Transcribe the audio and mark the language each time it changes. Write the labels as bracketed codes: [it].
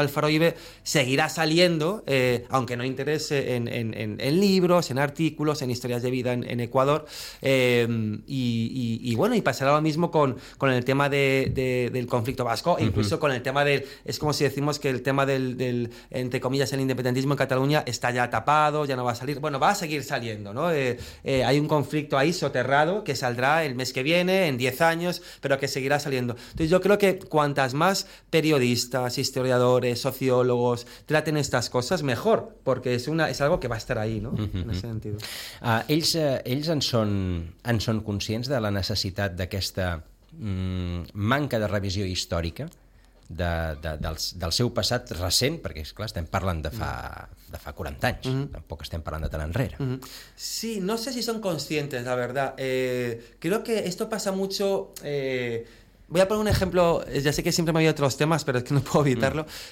[es] El Foro IBE seguirá saliendo, aunque no interese en libros, en artículos, en historias de vida en Ecuador, y pasará lo mismo con el tema del conflicto vasco, e incluso con el tema es como si decimos que el tema del entre comillas, el independentismo en Cataluña está ya tapado, ya no va a salir, bueno, va a seguir saliendo, ¿no? Hay un conflicto ahí soterrado que saldrá el mes que viene, en 10 años, pero que seguirá saliendo. Entonces yo creo que cuantas más periodistas, historiadores, sociólogos traten estas cosas, mejor, porque es algo que va a estar ahí, ¿no? En ese sentido. [ca] Ells en són conscients de la necessitat d'aquesta manca de revisió històrica del seu passat recent, perquè és clar, estem parlant de fa 40 anys, tampoc estem parlant de tan enrere. [es] Sí, no sé si son conscientes, la verdad. Creo que esto pasa mucho. Voy a poner un ejemplo, ya sé que siempre me había otros temas, pero es que no puedo evitarlo.